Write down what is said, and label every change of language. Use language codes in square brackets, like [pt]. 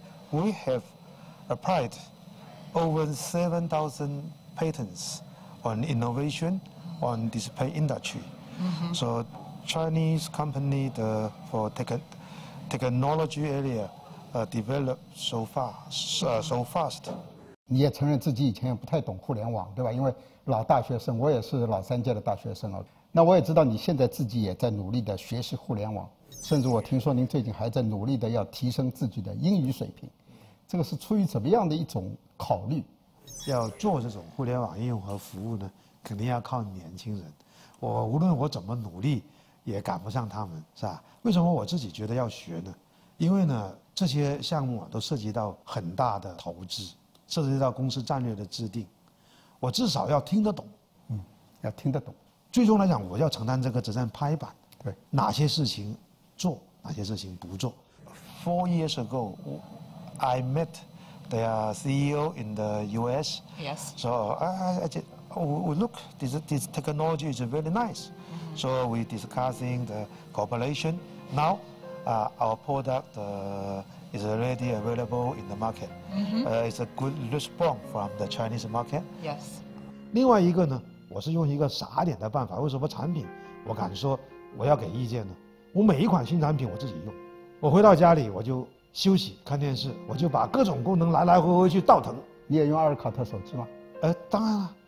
[en] We have applied over 7,000 patents on innovation on display industry. So Chinese company for technology area developed so fast. [zh] 你也承认自己以前也不太懂互联网，对吧？因为老大学生，我也是老三届的大学生了。那我也知道你现在自己也在努力的学习互联网，甚至我听说您最近还在努力的要提升自己的英语水平，这个是出于怎么样的一种考虑？要做这种互联网应用和服务呢，肯定要靠年轻人，我无论我怎么努力也赶不上他们，是吧？为什么我自己觉得要学呢？因为呢，这些项目都涉及到很大的投资，涉及到公司战略的制定，我至少要听得懂。要听得懂，最终来讲我要承担这个责任拍板，对，哪些事情做哪些事情不做。 [en] Four years ago I met the CEO in the US. Yes. So look, this technology is very nice. So we discussing the cooperation. Now our product is already available in the market. It's a good response from the Chinese market. Yes. [zh] 另外一个呢，我是用一个傻点的办法。为什么产品我敢说我要给意见呢？我每一款新产品我自己用，我回到家里我就休息看电视，我就把各种功能来来回回去倒腾。你也用阿尔卡特手机吗？当然了。